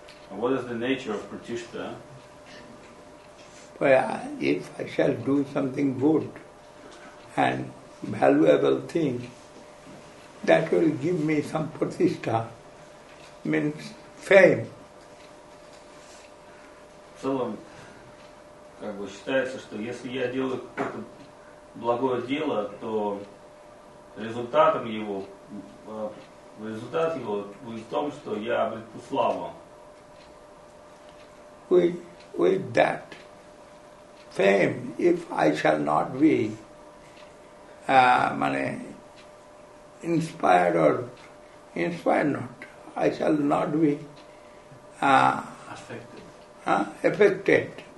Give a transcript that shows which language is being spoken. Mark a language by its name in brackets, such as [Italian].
[English] What is the nature of pratishta? Well, if I shall do something good and valuable thing, that will give me some pratishta, means fame. [Russian] So, как бы считается, что если я делаю какое-то благое дело, то результат его будет в том, что я обрету славу. [English] With that fame, if I shall not be affected.